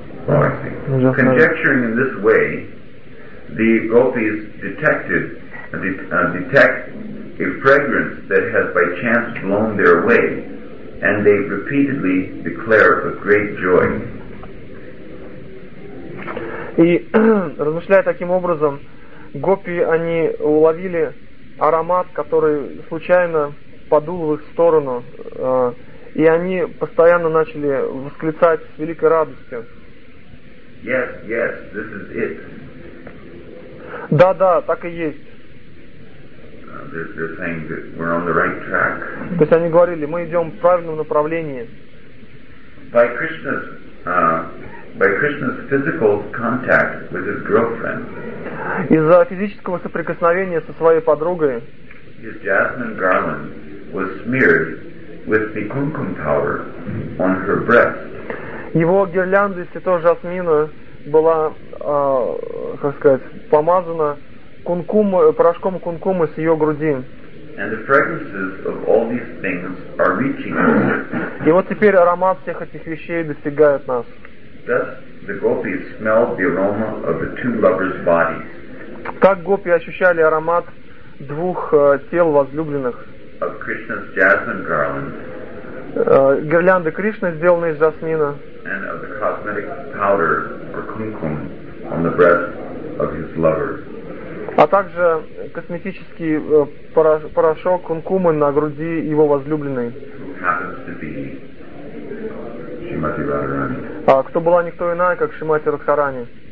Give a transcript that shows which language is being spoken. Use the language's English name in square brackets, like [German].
[English] Oh, I see. Conjecturing in this way, the gopis detect a fragrance that has by chance blown their way, and they repeatedly declare with great joy. [Russian] И, размышляя таким образом, гопи, они уловили аромат, который случайно подул в их сторону, и они постоянно начали восклицать с великой радостью. [English] Yes, yes, this is it. [Russian] Да, да, так и есть. [English] They're saying that we're on the right track. [Russian] То есть они говорили, мы идем в правильном направлении. [English] By Krishna's physical contact with his girlfriend. [Russian] Из-за физического соприкосновения со своей подругой. [English] His jasmine garland was smeared with the kumkum powder on her breast. [Russian] Его гирлянда из цветов жасмина была, как сказать, помазана порошком кункума с ее груди. [English] And the fragrances of all these things are reaching us. [Russian] И вот теперь аромат всех этих вещей достигает нас. [English] Thus, the gopis smelled the aroma of the two lovers' bodies. [Russian] Так гопи ощущали аромат двух тел возлюбленных. [English] Of Krishna's jasmine garland. [Russian] Гирлянды Кришны, сделанные из жасмина. [English] And of the cosmetic powder or kumkum on the breast of his lover. [Russian] А также косметический порошок кункумы на груди его возлюбленной. [English] Who happens to be Shrimati Radharani. [Russian] А кто была никто иная, как Шримати Радхарани.